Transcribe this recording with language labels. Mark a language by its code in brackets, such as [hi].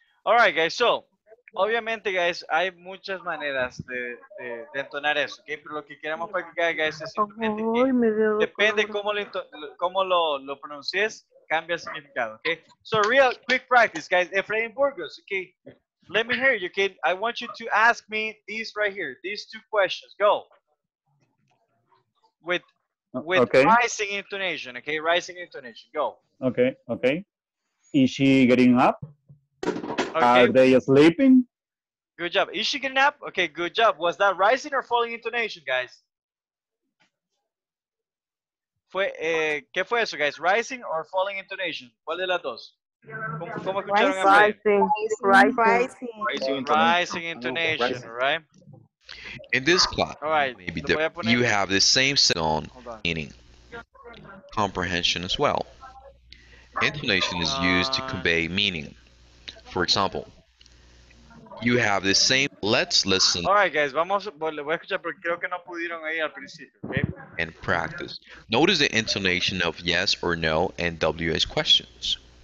[es] All right, guys, so, obviamente, guys, hay muchas maneras de entonar eso, ¿ok? Pero lo que queremos practicar, guys, es simplemente que depende cómo lo pronuncies, cambia el significado, ¿ok? [en] So, real quick practice, guys. Efraín Burgos, ¿ok? Let me hear you, kid. I want you to ask me these right here, these two questions. Go. With okay. Rising intonation, okay? Rising intonation, go. Okay. Is she getting up? Okay. Are they sleeping? Good job. Is she getting up? Okay, good job. Was that rising or falling intonation, guys? [es] ¿Qué fue eso, guys? [en] Rising or falling intonation? [es] ¿Cuál de las dos? ¿Cómo escucharon a mí? Rising. [en] Rising intonation, right? In this class, you have the same sound on meaning, comprehension as well. Intonation is used to convey meaning. For example, you have the same. Let's listen. All right, guys, vamos. [es] Le voy a escuchar porque creo que no pudieron ahí al principio. [en] Okay? And practice. Notice the intonation of yes or no and WH questions.